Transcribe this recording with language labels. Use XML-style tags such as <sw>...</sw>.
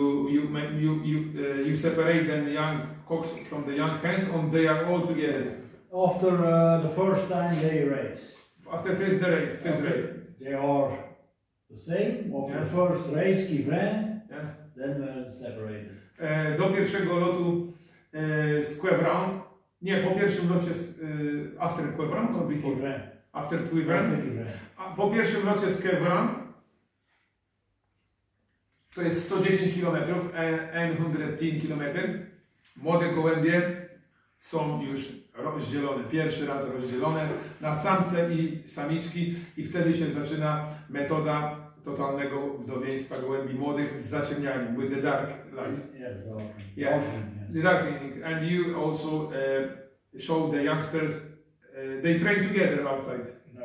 <en>You separate the young cocks from the young hens, or they are all together? After the first time they race. After first race. They are the same, after the first race, Kivren, then separated.</en> <pl>Do pierwszego lotu z Quevran, nie, po pierwszym locie z,</pl> <en>after Quevran or before? Kivren. After Quevran.</en> <pl>Po pierwszym locie z Quevran to jest 110 km, 110 km. Młode gołębie są już rozdzielone, pierwszy raz rozdzielone na samce i samiczki i wtedy się zaczyna metoda totalnego wdowieństwa gołębi młodych z zaciemnianiem,</pl> <en>with the dark light. Yeah, the dark. And you also show the youngsters, they train together outside.</en>